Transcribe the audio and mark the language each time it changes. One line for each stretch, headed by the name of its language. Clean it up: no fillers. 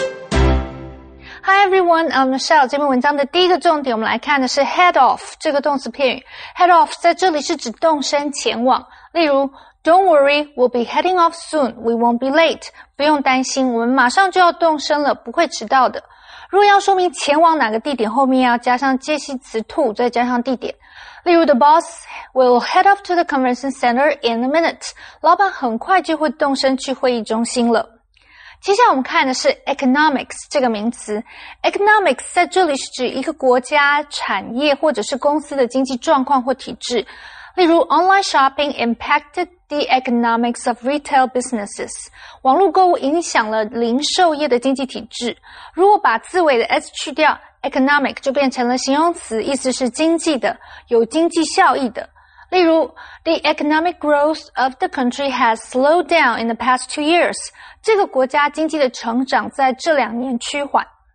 English: Hi everyone, I'm Michelle.
Chinese: 这篇文章的第一个重点我们来看的是 head off, 这个动词片语。 Head off 在这里是指动身前往。例如
English: Don't worry, we'll be heading off soon. We won't be late.
Chinese: 不用担心，我们马上就要动身了，不会迟到的。如果要说明前往哪个地点，后面要加上介系词 to, 再加上地点。例如
English: the boss will head off to the convention center in a minute.
Chinese: 老板很快就会动身去会议中心了。接下来我们看的是 economics 这个名词。economics 在这里是指一个国家、产业或者是公司的经济状况或体制。例如
English: online shopping impacted the economics of retail businesses.
Chinese: 网络购物影响了零售业的经济体制。如果把字尾的 s 去掉，economic 就变成了形容词，意思是经济的，有经济效益的。例如
English: ,the economic growth of the country has slowed down in the past 2 years.
Chinese: 这个国家经济的成长在这两年趋缓。